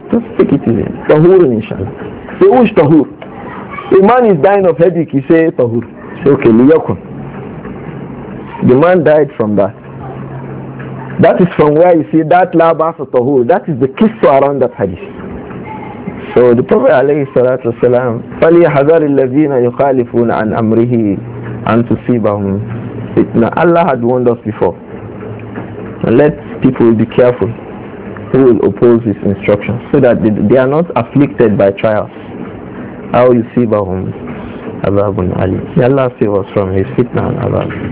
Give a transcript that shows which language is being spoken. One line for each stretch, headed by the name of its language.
English: Just take it easy. Tahur, inshallah. Say, which tahur? The man is dying of headache. He said, tahur. Say, okay, liyakun. The man died from that. That is from where you see that Labas or tahur. That is the kisso around that hadith. So the Prophet alayhi salatu wasalam,
Arabic: فَلِيَحَذَرِ الَّذِينَ يُخَالِفُونَ عَنْ أَمْرِهِ أَنْ تُصِيبَهُمْ فِتْنَةٌ.
English: Allah had warned us before. And let people be careful who will oppose his instructions, so that they are not afflicted by trials.
Arabic: أَوْ يُصِيبَهُمْ عَذَابٌ أَلِيمٌ.
English: May Allah save us from his fitnah and azab.